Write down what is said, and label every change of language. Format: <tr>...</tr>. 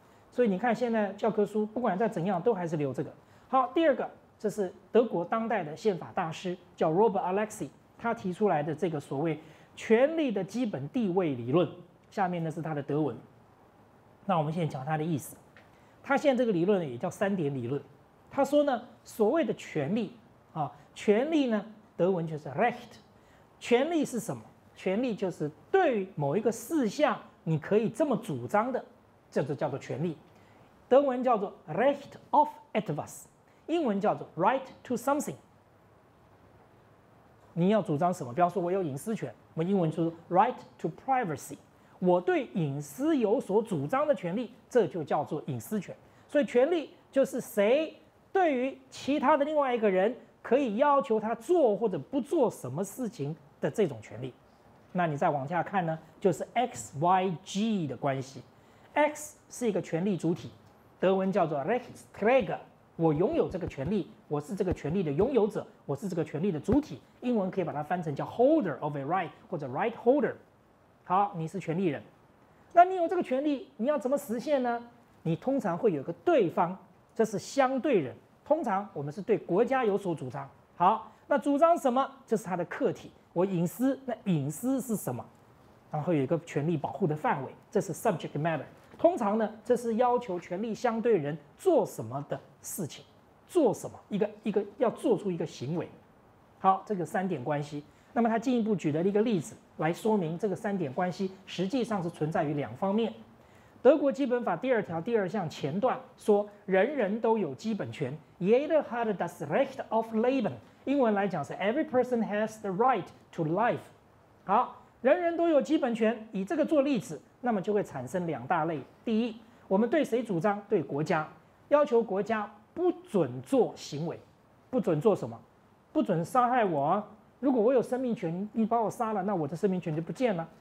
<zh>所以你看现在教科书不管再怎样都还是留这个。好，第二个，这是德国当代的宪法大师叫 Robert Alexis， 他提出来的这个所谓权力的基本地位理论，下面呢是他的德文，那我们现在讲他的意思。他现在这个理论也叫三点理论，他说呢，所谓的权力啊，权利呢，德文就是 Recht。权利是什么？权利就是对某一个事项你可以这么主张的，这就叫做权利。德文叫做 Recht auf etwas，英文叫做 Right to something。你要主张什么？比方说，我有隐私权，我英文就是 right to privacy，我对隐私有所主张的权利，这就叫做隐私权。所以，权利就是谁对于其他的另外一个人可以要求他做或者不做什么事情的这种权利。那你再往下看呢，就是 X Y G 的关系。 X 是一个权利主体，德文叫做 Rechtsträger。我拥有这个权利，我是这个权利的拥有者，我是这个权利的主体。英文可以把它翻成叫 holder of a right 或者 right holder。好，你是权利人，那你有这个权利，你要怎么实现呢？你通常会有个对方，这是相对人。通常我们是对国家有所主张。好，那主张什么？这是他的客体，我隐私。那隐私是什么？然后有一个权利保护的范围，这是 subject matter。通常呢，这是要求权力相对人做什么的事情，做什么一个要做出一个行为。好，这个三点关系。那么他进一步举了一个例子来说明这个三点关系实际上是存在于两方面。德国基本法第二条第二项前段说，人人都有基本权 ， Jeder hat das Recht auf Leben。</zh> <en>英文来讲是 Every person has the right to life。</en> <zh>好，人人都有基本权，以这个做例子。那么就会产生两大类，第一，我们对谁主张？对国家，要求国家不准做行为，不准做什么？不准杀害我啊！如果我有生命权，你把我杀了，那我的生命权就不见了。</zh>